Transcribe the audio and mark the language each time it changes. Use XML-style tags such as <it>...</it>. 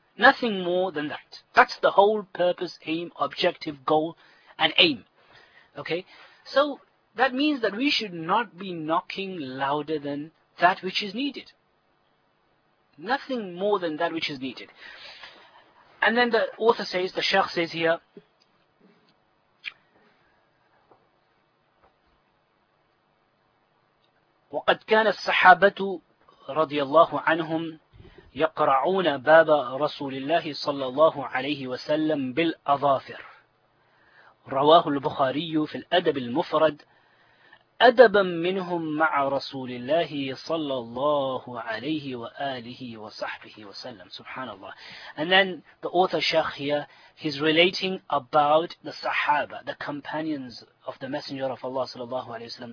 <en>Nothing more than that. That's the whole purpose, aim, objective, goal, and aim. Okay? So, that means that we should not be knocking louder than that which is needed. Nothing more than that which is needed. And then the author says, the sheikh says here,</en> <ar>وَقَدْ كَانَ الصَّحَابَةُ رَضِيَ اللَّهُ عَنْهُمْ يَقْرَعُونَ بَابَ رَسُولِ اللَّهِ صَلَّى اللَّهُ عَلَيْهِ وَسَلَّمْ بِالْأَظَافِرِ رواه البخاري في الأدب المفرد أدبا منهم مع رسول الله صلى الله عليه وآله وصحبه وسلم. Subhanallah.</ar> <en>And then the author Shaykh here, he's relating about the Sahaba, the companions of the Messenger of Allah</en> <ar>صلى الله عليه وسلم.</ar>